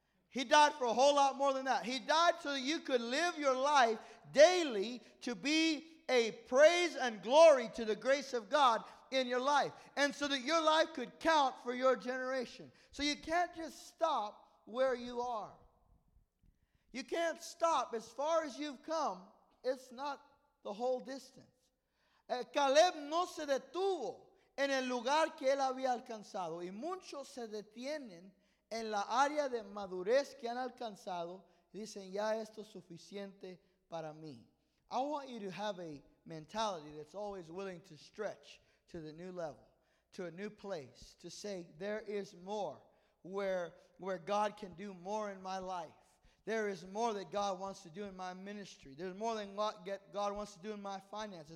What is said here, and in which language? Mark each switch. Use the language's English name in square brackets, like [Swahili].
[English] He died for a whole lot more than that. He died so that you could live your life daily to be a praise and glory to the grace of God in your life. And so that your life could count for your generation. So you can't just stop where you are. You can't stop as far as you've come. It's not the whole distance. [Spanish] Caleb no se detuvo en el lugar que él había alcanzado. Y muchos se detienen en la área de madurez que han alcanzado. Y dicen, ya esto es suficiente para mí. [English] I want you to have a mentality that's always willing to stretch to the new level, to a new place, to say, there is more where God can do more in my life. There is more that God wants to do in my ministry. There's more than what God wants to do in my finances.